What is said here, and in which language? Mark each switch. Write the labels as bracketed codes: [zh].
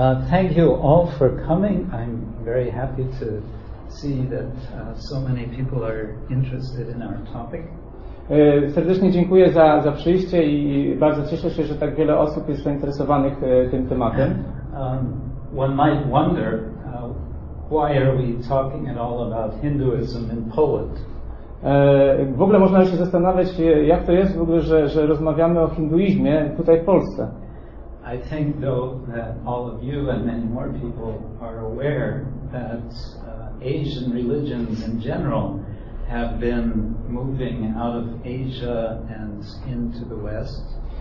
[en] Thank you all for coming. I'm very happy to see that so many people are interested in our topic. [pl] Serdecznie dziękuję za przyjście i bardzo cieszę się, że tak wiele osób jest zainteresowanych tym tematem. [en] One might wonder, why are we talking at all about Hinduism in Poland? [pl] W ogóle można się zastanawiać, jak to jest w ogóle, że rozmawiamy o hinduizmie tutaj w Polsce. [en] I think though that all of you and many more people are aware that Asian religions in general have been moving out of Asia and into the West.